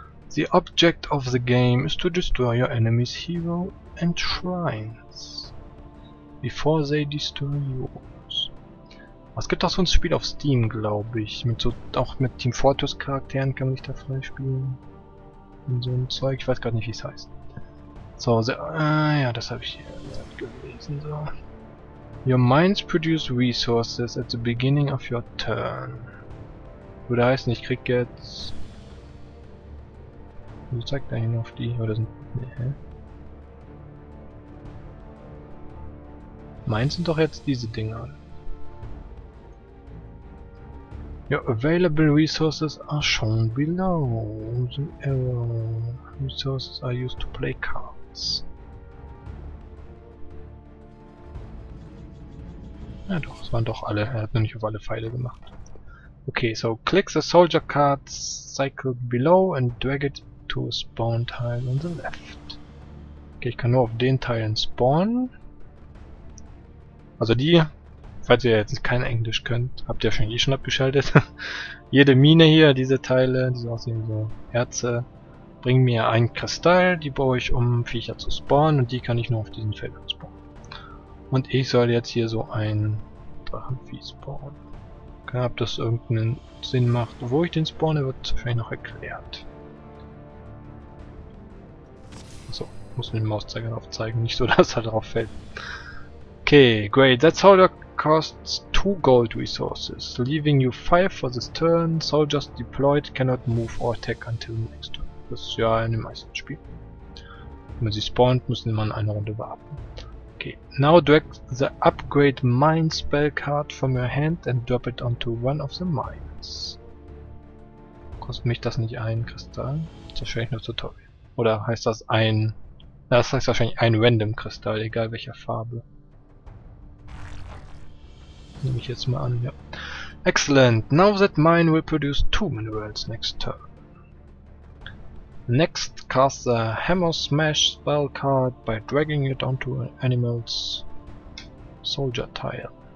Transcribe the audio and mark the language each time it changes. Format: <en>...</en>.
<en>The object of the game is to destroy your enemy's hero and shrines before they destroy yours.</en> <de>Es gibt auch so ein Spiel auf Steam, glaube ich. Mit so, auch mit Team Fortress Charakteren kann man sich da freispielen. Und so ein Zeug, ich weiß gar nicht, wie es heißt. So, ja, das habe ich hier gelesen. So.</de> <en>Your minds produce resources at the beginning of your turn.</en> <de>Würde heißen, ich krieg jetzt. Wie zeigt er hin auf die? Oder sind. Nee, hä? Meins sind doch jetzt diese Dinger.</de> <en>Your available resources are shown below. The error. Resources are used to play cards.</en> <de>Ja doch, es waren doch alle. Er hat noch nicht auf alle Pfeile gemacht.</de> <en>Okay, so click the soldier cards cycle below and drag it to a spawn tile on the left.</en> <de>Okay, ich kann nur auf den Teilen spawnen. Also die, falls ihr jetzt kein Englisch könnt, habt ihr wahrscheinlich eh schon abgeschaltet. Jede Mine hier, diese Teile, die so aussehen wie so Herze, bringen mir einen Kristall, die baue ich um Viecher zu spawnen und die kann ich nur auf diesen Feldern spawnen. Und ich soll jetzt hier so ein Drachenvieh spawnen. Okay, ob das irgendeinen Sinn macht, wo ich den spawne, wird wahrscheinlich noch erklärt. So, muss mit dem Mauszeiger drauf zeigen, nicht so, dass er drauf fällt.</de> <en>Okay, great. That soldier costs 2 gold resources, leaving you 5 for this turn. Soldiers deployed cannot move or attack until next turn.</en> <de>Das ist ja in den meisten Spielen. Wenn man sie spawnt, müssen man eine Runde warten. Okay,</de> <en>Okay, now drag the upgrade mine spell card from your hand and drop it onto one of the mines.</en> <de>Kostet mich das nicht ein Kristall? Das ist wahrscheinlich nur Tutorial. Oder heißt das ein... Das heißt wahrscheinlich ein random Kristall, egal welcher Farbe. Nehme ich jetzt mal an, ja.</de> <en>Excellent! Now that mine will produce two minerals next turn. Next, cast the Hammer Smash spell card by dragging it onto an animal's soldier tile.</en>